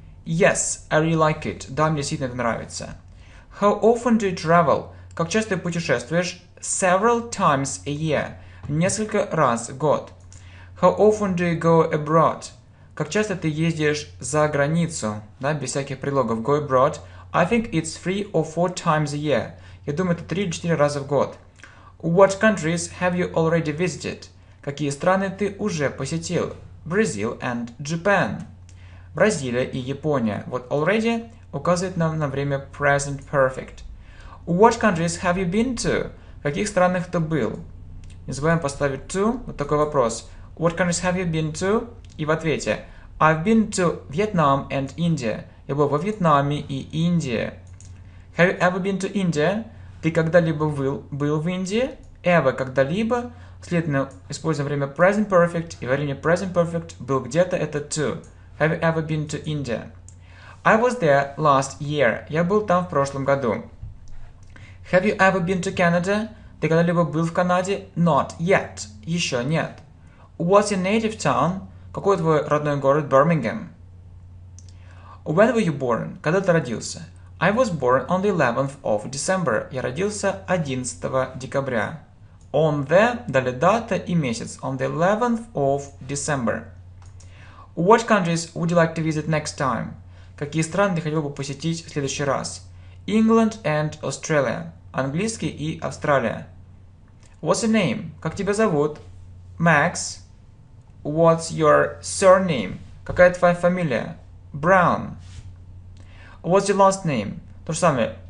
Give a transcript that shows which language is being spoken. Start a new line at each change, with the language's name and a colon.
English: Yes, I really like it.
Russian: Да, мне действительно это нравится.
English: How often do you travel?
Russian: Как часто ты путешествуешь?
English: Several times a year.
Russian: Несколько раз в год.
English: How often do you go abroad?
Russian: Как часто ты ездишь за границу? Да, без всяких прилогов.
English: Go abroad. I think it's three or four times a year.
Russian: Я думаю, это 3-4 раза в год.
English: What countries have you already visited?
Russian: Какие страны ты уже посетил?
English: Brazil and Japan.
Russian: Бразилия и Япония. Вот already указывает нам на время present perfect.
English: What countries have you been to?
Russian: В каких странах ты был? Не забываем поставить to. Вот такой вопрос.
English: What countries have you been to?
Russian: И в ответе.
English: I've been to Vietnam and India.
Russian: Я был во Вьетнаме и Индии.
English: Have you ever been to India?
Russian: Ты когда-либо был в Индии? Ever, когда-либо. Следовательно, используем время present perfect. И во время present perfect был где-то это to.
English: Have you ever been to India? I was there last year.
Russian: Я был там в прошлом году.
English: Have you ever been to Canada?
Russian: Ты когда-либо был в Канаде?
English: Not yet.
Russian: Еще нет.
English: What's your native town?
Russian: Какой твой родной город?
English: Birmingham. When were you born?
Russian: Когда ты родился?
English: I was born on the 11th of December.
Russian: Я родился 11 декабря.
English: On the,
Russian: дали дата и месяц.
English: On the 11th of December. What countries would you like to visit next time?
Russian: Какие страны ты хотел бы посетить в следующий раз?
English: England and Australia.
Russian: Английский и Австралия.
English: What's your name?
Russian: Как тебя зовут?
English: Max. What's your surname?
Russian: Какая твоя фамилия? Brown.
English: What's your last name?
Russian: То же самое.